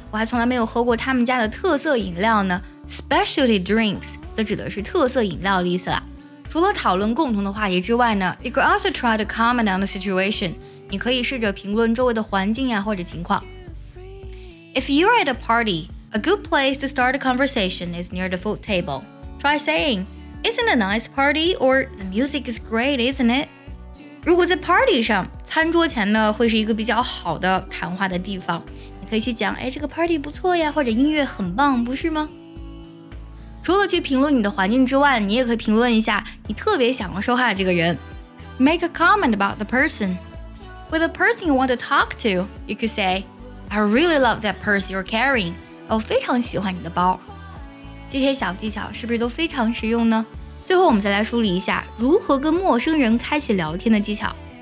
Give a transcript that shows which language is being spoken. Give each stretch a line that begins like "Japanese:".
Chinese: 我还从来没有喝过他们家的特色饮料呢。
English: Specialty drinks
Chinese: 这指的是特色饮料的意思啦。除了讨论共同的话题之外呢，
English: You could also try to comment on the situation.
Chinese: 你可以试着评论周围的环境啊或者情况。
English: If you are at a party, a good place to start a conversation is near the food table. Try saying, Isn't a nice party? Or the music is great, isn't it?
Chinese: 如果在 party 上，餐桌前呢，会是一个比较好的谈话的地方。你可以去讲，哎，这个 party 不错呀，或者音乐很棒，不是吗？除了去评论你的环境之外，你也可以评论一下你特别想要说话的这个人。
English: Make a comment about the person. With the person you want to talk to, you could say, I really love that purse you're carrying.
Chinese: 我非常喜欢你的包。这些小技巧是不是都非常实用呢？最后我们再来梳理一下如何跟陌生人开启聊天的技巧。